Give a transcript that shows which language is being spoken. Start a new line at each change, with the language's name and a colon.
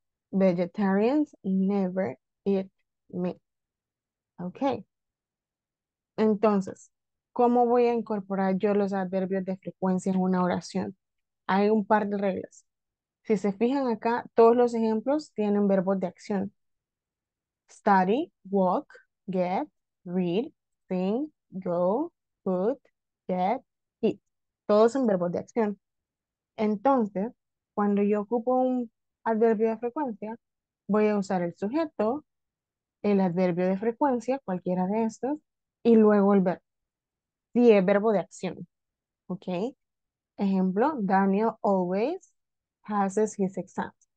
English: Vegetarians never eat meat. Okay.
Spanish: Entonces, ¿cómo voy a incorporar yo los adverbios de frecuencia en una oración? Hay un par de reglas. Si se fijan acá, todos los ejemplos tienen verbos de acción.
English: Study, walk, get, read, think, go, put, get, eat.
Spanish: Todos son verbos de acción. Entonces, cuando yo ocupo un adverbio de frecuencia, voy a usar el sujeto, el adverbio de frecuencia, cualquiera de estos, y luego el verbo. Sí, es verbo de acción. ¿Ok? Ejemplo,
English: Daniel always passes his exams.